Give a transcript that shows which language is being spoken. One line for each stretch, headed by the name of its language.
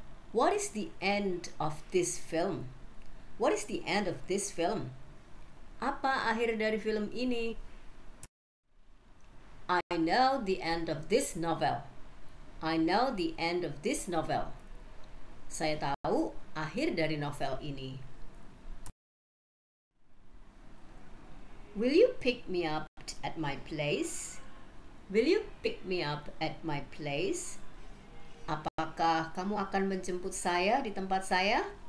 English: What is the end of this film? What is the end of this film?
Indonesian: Apa akhir dari film ini?
English: I know the end of this novel. I know the end of this novel.
Indonesian: Saya tahu akhir dari novel ini.
English: Will you pick me up at my place? Will you pick me up at my place?
Indonesian: Apakah kamu akan menjemput saya di tempat saya?